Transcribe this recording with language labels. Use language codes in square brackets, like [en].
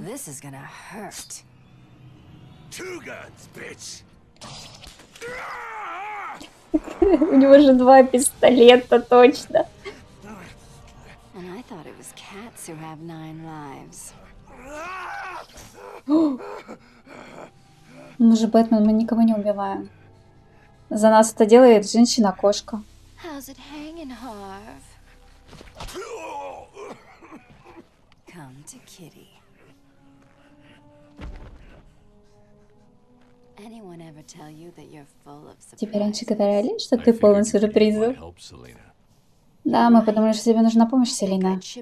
[ru] У него же два пистолета, точно. [en] And I thought it was cats who have nine lives. [ru] Мы же Бэтмен, мы никого не убиваем. За нас это делает женщина-кошка. [en] How's it hanging, Harv? Come to Kitty. Anyone ever tell you that you're full of surprises? [ru] Теперь раньше говорили, что ты полон сюрпризов. Да, мы подумали, что тебе нужна помощь, Селина.